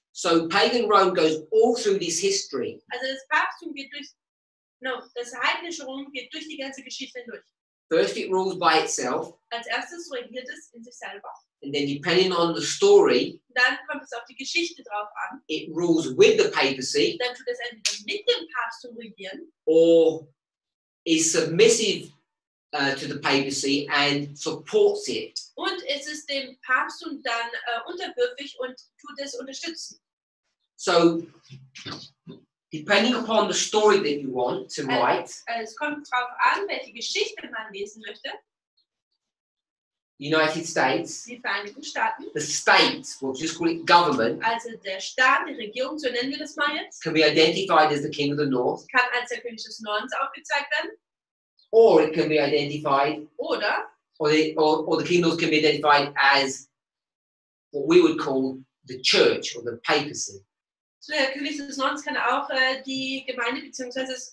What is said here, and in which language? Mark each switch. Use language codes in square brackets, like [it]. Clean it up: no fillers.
[en] So pagan Rome goes all through this history. [de] Also das Papsttum geht durch, no, das heidnische Rom geht durch die ganze Geschichte hindurch. [en] First it rules by itself. [de] Als erstes regiert es in sich selber. [en] And then depending on the story, [de] dann kommt es auf die Geschichte drauf an. [en] It rules with the papacy. [de] Dann tut es entweder mit dem Papsttum regieren. [en] Or is submissive to the papacy and supports it. [de] Und es ist dem Papsttum dann unterwürfig und tut es unterstützen. [en] So, depending upon the story that you want to write, [de] es kommt drauf an, welche Geschichte man lesen möchte. [en] United States, [de] die Vereinigten Staaten, [en] the state, we'll just call it government, [de] also der Staat, die Regierung, so nennen wir das mal jetzt, [en] can be identified as the King of the North, [de] kann als der König des Nordens aufgezeigt werden. [en] Or it can be identified, [de] oder, [en] or the kingdoms can be identified as what we would call the church or the papacy. [de] So der König des Nordens kann auch die Gemeinde bzw.